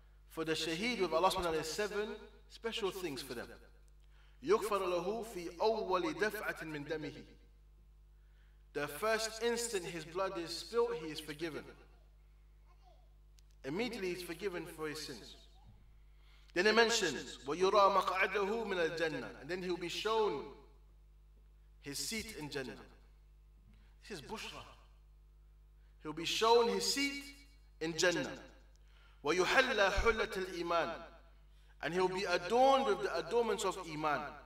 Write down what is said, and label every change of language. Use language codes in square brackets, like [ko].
[en] For the shaheed with Allah Subhanahu wa Ta'ala is seven special things for them. [ar] Yughfar lahu fi awwali daf'atin min damihi. [en] The first instant his blood is spilt, he is forgiven. Immediately he's forgiven for his sins. Then it mentions, [ar] وَيُرَى مَقْعَدَهُ مِنَ الْجَنَّةِ. [en] And then he'll be shown his seat in Jannah. This is Bushra. He'll be shown his seat in Jannah. [ar] وَيُحَلَّ حُلَّةِ الْإِيمَانِ. [en] And he'll be adorned with the adornments of Iman.